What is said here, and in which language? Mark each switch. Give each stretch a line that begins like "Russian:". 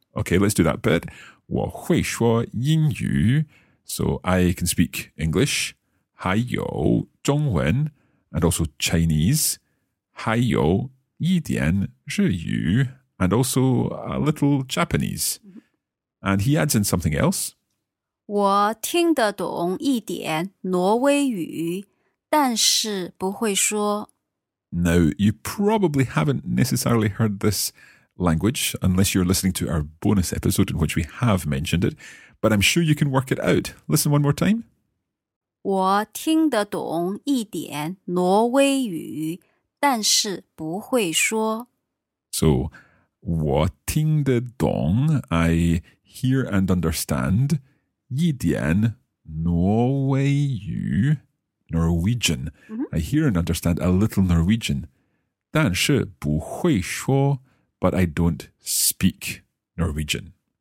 English: Okay, let's do that bit. 我会说英语。 So I can speak English.
Chinese: 还有中文 and also Chinese. 还有一点日语 and also a little Japanese.
English: And he adds in something else.
Chinese: 我听得懂一点挪威语，但是不会说。
English: Now, you probably haven't necessarily heard this language unless you're listening to our bonus episode in which we have mentioned it, but I'm sure you can work it out. Listen one more time.
Chinese: 我听得懂一点挪威语,但是不会说。
English: So, 我听得懂, I hear and understand, 一点挪威语。 Norwegian. Mm-hmm. I hear and understand a little Norwegian. 但是不会说, but I don't speak Norwegian.